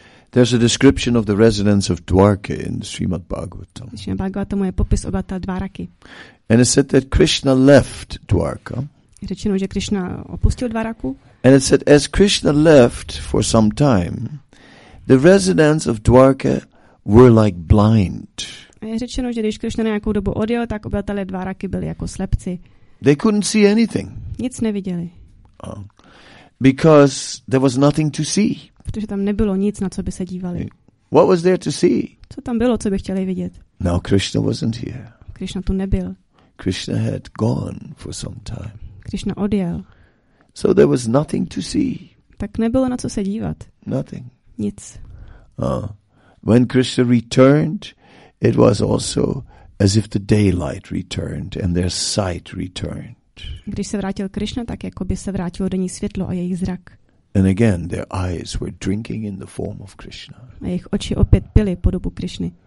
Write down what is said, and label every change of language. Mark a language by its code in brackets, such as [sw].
[en] There's a description of the residence of Dwarka in Srimad Bhagavatam. [cs] Srimad Bhagavatam je popis obyvatel Dwaraky. [en] And it said that Krishna left Dwarka. [cs] Řečeno, že Krishna opustil Dwaraku. [en] And it said as Krishna left for some time, the residents of Dwarka were like blind. [cs] Je řečeno, že když Krishna nějakou dobu odjel, tak obyvatelé Dwaraky byli jako slepci. [en] They couldn't see anything. [cs] Nic neviděli. [en] Because there was nothing to see. [cs] Protože tam nebylo nic, na co by se dívali. [en] What was there to see? [cs] Co tam bylo, co by chtěli vidět? [en] No, Krishna wasn't here. [cs] Krishna tu nebyl. [en] Krishna had gone for some time. [cs] Krishna odjel. [en] So there was nothing to see. [cs] Tak nebylo na co se dívat. [en] Nothing. [cs] Nic. [en] When Krishna returned, it was also as if the daylight returned and their sight returned. [cs] Když se vrátil Krishna, tak jako by se vrátilo denní světlo a jejich zrak. [en] And again, their eyes were drinking in the form of Krishna. [cs] A jejich oči opět pily podobu Krishny.